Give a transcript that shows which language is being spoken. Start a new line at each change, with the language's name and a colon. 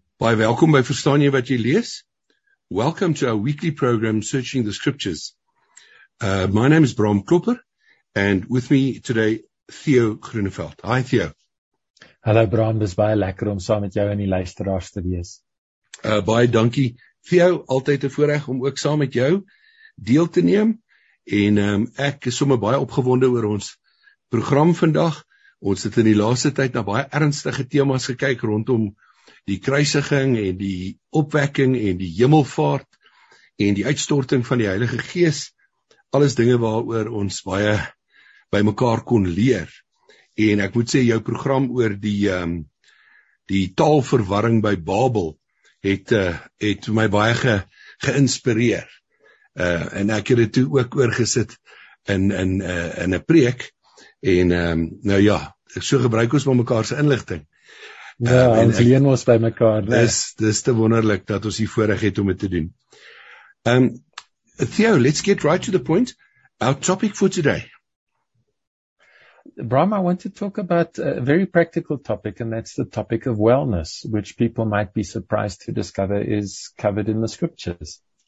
Afrikaans: Baie welkom by Verstaan jy wat jy lees?
English: Welcome to our weekly program, Searching the Scriptures. My name is Bram Klopper, and with me today, Theo Groeneveld. Hi, Theo.
Afrikaans: Hallo Bram, dis baie lekker om saam met jou in die luisteraars te wees. Baie dankie, Theo, altyd 'n voorreg om ook saam met jou deel te neem. En ek is sommer baie opgewonde oor ons program vandag. Ons het in die laaste tyd na baie ernstige temas gekyk rondom die kruisiging en die opwekking en die hemelvaart en die uitstorting van die Heilige Gees, alles dinge waaroor ons baie by mekaar kon leer. En ek moet sê, jou program oor die taalverwarring by Babel het my baie geïnspireer. En ek het dit toe ook oorgesit in 'n preek en nou ja, so gebruik ons maar mekaar se inligting. Ja, ons leen ons by mekaar. Dis te wonderlik dat ons hier voorreg het om dit te doen.
English: Theo, let's get right to the point. Our topic for today. Bram, I want to talk about a very practical topic, and that's the topic of wellness, which people might be surprised to discover is covered in the scriptures.